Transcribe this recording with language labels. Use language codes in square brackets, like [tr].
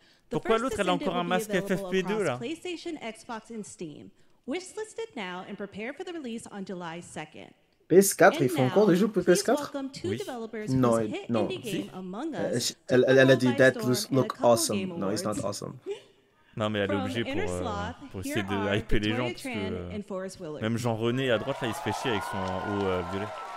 [fr] Pourquoi l'autre elle a encore un masque FFP2 là? PlayStation, Xbox et Steam. [en] Wishlisted now and prepare for the release on July 2nd. [fr] PS4, ils font encore des jeux pour PS4? Oui. Non. Si. Elle a dit [en] that look awesome. No, it's not awesome. [fr] Non, mais elle est obligée pour essayer de hyper les gens parce que. Même Jean-René à droite là, il se fait chier avec son haut violet.